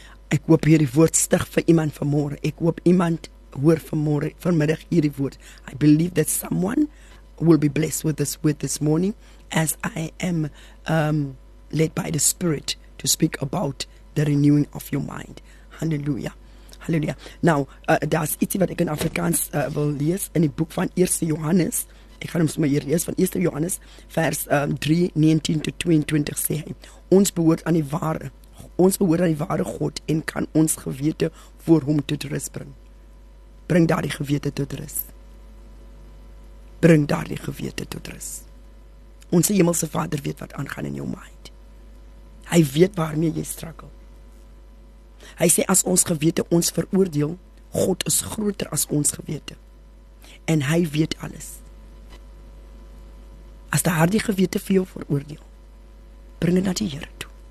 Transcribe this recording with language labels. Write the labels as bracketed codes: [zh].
[af] Ek hoop hierdie woord stig vir iemand vanmôre. Ek hoop iemand hoor vanmôre vanmiddag hierdie woord. [en] I believe that someone will be blessed with this word this morning, as I am led by the Spirit to speak about the renewing of your mind. [af] Hallelujah. Hallelujah. Now, daar's ietsie wat ek in Afrikaans wil lees in die boek van 1 Johannes. Ek gaan hom sommer hier lees van 1 Johannes vers 3:19-22 sê hy. Ons behoort aan die ware God en kan ons gewete voor hom tot rus bring. Bring daardie gewete tot rus. Bring daardie gewete tot rus. Onse hemelse Vader weet wat aangaan in jou mind. Hy weet waarmee jy struggle. Hy sê as ons gewete ons veroordeel, God is groter as ons gewete. En hy weet alles. As die harde gewete vir jou veroordeel, bring dit na die Here toe.